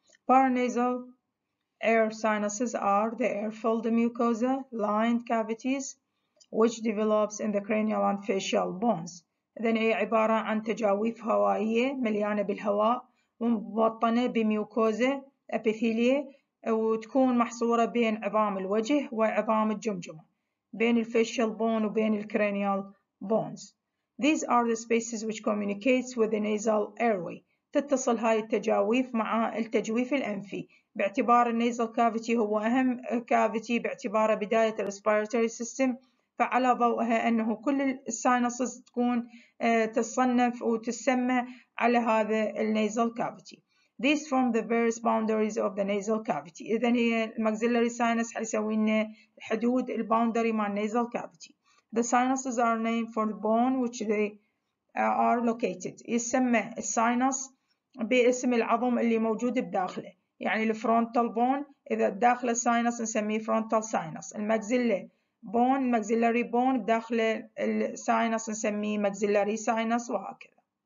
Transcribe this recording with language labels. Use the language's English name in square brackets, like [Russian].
[English] Paranasal air sinuses are the air-filled mucosa lined cavities which develops in the cranial and facial bones. [Arabic] إذن هي عبارة عن تجاويف هوائية مليانة بالهواء ومبطنة بميوكوزا أبيثيلية وتكون محصورة بين عظام الوجه وعظام الجمجمة بين الفيشيال بون وبين الكرينيال بونز. [English] These are the spaces which communicates with the nasal airway. [Arabic] تتصل هاي التجاويف مع التجويف الأنفي باعتبار النيزال كافيتي هو أهم كافيتي باعتباره بداية الريسبيراتوري سيستم. فعلى ضوءها أنه كل السينسز تكون تصنف وتسمى على هذا النيزل كافيتي. [English] These form the various boundaries of the nasal cavity. [Arabic] إذن هي المكزيلري سينس حيسوي لنا حدود الباوندري مع النيزل كافيتي. [English] The sinuses are named for the bone which they are located. [Arabic] يسمى السينس باسم العظم اللي موجود بداخله. يعني الفرونتال بون إذا داخله سينس نسميه فرونتال سينس. المكزيلري بون ماكسيلاري بون داخل الساينس نسميه ماكسيلاري ساينس وهكذا.